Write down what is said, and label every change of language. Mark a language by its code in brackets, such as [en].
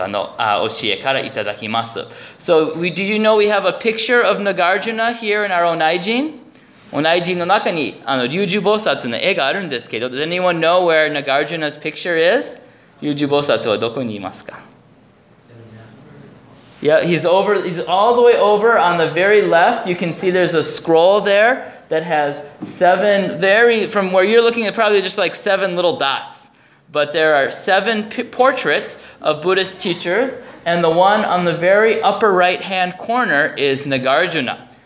[ja] まあ、よくその108回を館長とか盆書を入れるのは、そういう、悪魔を追い出せるとか、そういう考え方は多くあると思いますけど、私の味わいは、インドの仏教の、とても偉いお坊さんの、龍樹菩薩、ナガルジュナという方の、教えからいただきます。 [en] So, do you know we have a picture of Nagarjuna here in our own Aijin? [ja] お内陣の中に龍樹菩薩の絵があるんですけど、 [en] Does anyone know where Nagarjuna's picture is? [ja] 龍樹菩薩はどこにいますか? [en] Yeah, he's all the way over on the very left. You can see there's a scroll there that has seven very, from where you're looking at probably just like seven little dots. But there are seven portraits of Buddhist teachers, and the one on the very upper right-hand corner is Nagarjuna.